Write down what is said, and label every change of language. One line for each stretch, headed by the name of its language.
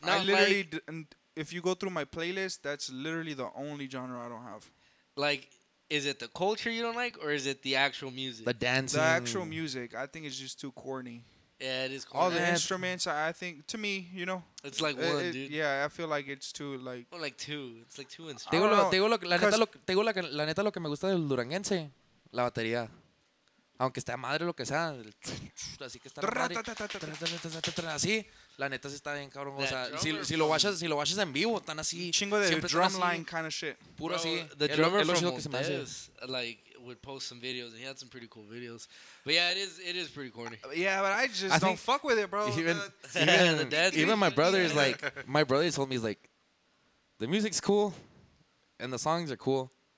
English: No, I literally, like, if you go through my playlist, that's literally the only genre I don't have. Like, is it the culture you don't like, or is it the actual music? The dancing. The actual music, I think, is just too corny. Yeah, it is corny. All the instruments, I think, to me, you know. It's like one, dude. Yeah, I feel like it's too, like. Or like two. It's like two instruments.
Spanish: Tengo la, la neta lo que me gusta del duranguense, la batería. Aunque esté a madre lo que sea, así que está así, la neta sí está bien cabrón, o sea, si lo watchas en vivo, están así, chingo de
English: drumline kind of shit.
Spanish: Puro así.
English: The drummer from Montez, like, would post some videos, and he had some pretty cool videos. But yeah, it is pretty corny. Yeah, but I just don't fuck with it, bro. Even my brother told me, he's like, the music's cool and the songs are cool.